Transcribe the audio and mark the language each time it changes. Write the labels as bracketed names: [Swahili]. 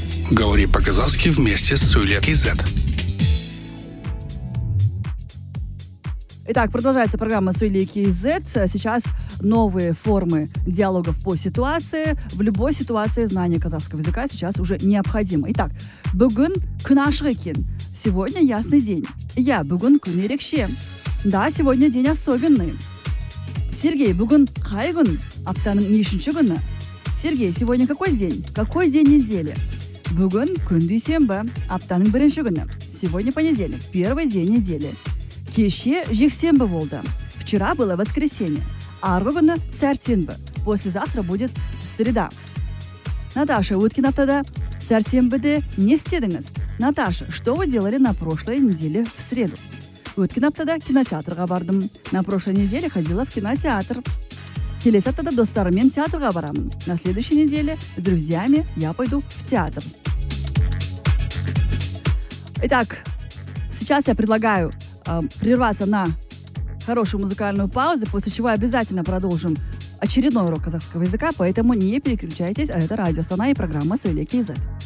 [Russian] Говори по-казахски вместе с Сөйле кезет. Итак, продолжается программа «Сөйле кезет». Сейчас новые формы диалогов по ситуации. В любой ситуации знание казахского языка сейчас уже необходимо. [Kazakh] Итак, «бүгін күн ашық екен». [Russian] Сегодня ясный день. Я [Kazakh] «бүгін күн ерекше». [Russian] Да, сегодня день особенный. Сергей, [Kazakh] «бүгін қай күн?» Аптаның нешінші күні. [Russian] Сергей, сегодня какой день? Какой день недели? [Kazakh] «Бүгін күн дүйсенбі?» Аптаның бірінші күні. [Russian] Сегодня понедельник. Первый день недели. [Kazakh] Кеше жексенбі болды. [Russian] Вчера было воскресенье. [Kazakh] Арғы күні сәрсенбі. [Russian] Послезавтра будет среда. [Kazakh] Наташа, өткен аптада сәрсенбіде не істедіңіз? [Russian] Наташа, что вы делали на прошлой неделе в среду? [Kazakh] Өткен аптада кинотеатрға бардым. [Russian] На прошлой неделе ходила в кинотеатр. [Kazakh] Келесі аптада достарымен театрға барамын. [Russian] На следующей неделе с друзьями я пойду в театр. Итак, сейчас я предлагаю прерваться на хорошую музыкальную паузу, после чего обязательно продолжим очередной урок казахского языка, поэтому не переключайтесь, а это радио Астана и программа «Сөйле кезет».